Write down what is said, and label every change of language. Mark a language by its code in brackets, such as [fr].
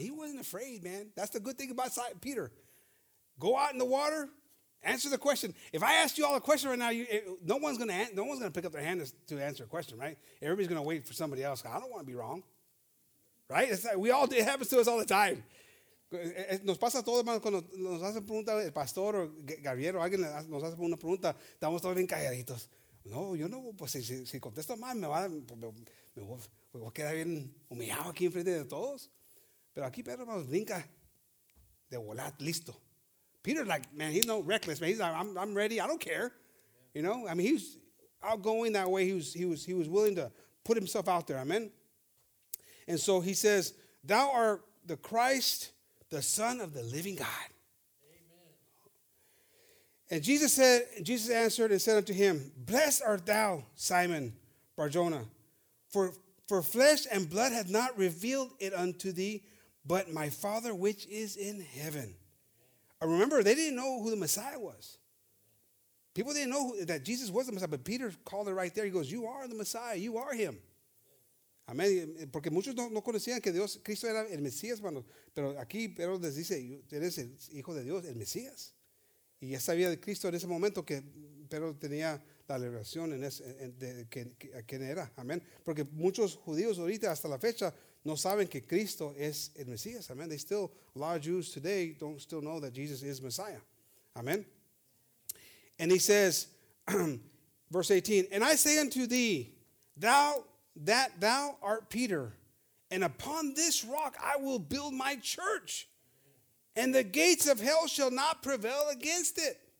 [en] He wasn't afraid, man. That's the good thing about Peter. Go out in the water, answer the question. If I ask you all a question right now, no one's gonna pick up their hand to answer a question, right? Everybody's going to wait for somebody else. I don't want to be wrong, right? It's like it happens to us all the time. [es] Nos pasa todo, hermano, cuando nos hacen pregunta el pastor o Gabriel o alguien nos hace una pregunta, estamos todos bien calladitos. No, yo no, pues si contesto mal, me voy a quedar bien humillado aquí enfrente de todos. Pero aquí Pedro, hermano, brinca de volar, listo. [en] Peter, like, man, he's no reckless, man. He's like, I'm ready, I don't care. You know, I mean, he's outgoing that way. He was willing to put himself out there, amen? And so he says, thou art the Christ, the Son of the living God. Amen. And Jesus answered and said unto him, blessed art thou, Simon Barjona, for flesh and blood hath not revealed it unto thee, but my Father which is in heaven. I remember, they didn't know who the Messiah was. People didn't know that Jesus was the Messiah, but Peter called it right there. He goes, you are the Messiah. You are him. Amén. [es] Porque muchos no conocían que Dios, Cristo era el Mesías, hermanos. Pero aquí Pedro les dice, eres el Hijo de Dios, el Mesías. Y ya sabía de Cristo en ese momento que Pedro tenía la revelación de quién era. Amén. Porque muchos judíos ahorita, hasta la fecha, no saben que Cristo es el Mesías. Amén. [en] They still, a lot of Jews today don't still know that Jesus is Messiah. Amén. And he says, verse 18, and I say unto thee, that thou art Peter, and upon this rock I will build my church, and the gates of hell shall not prevail against it.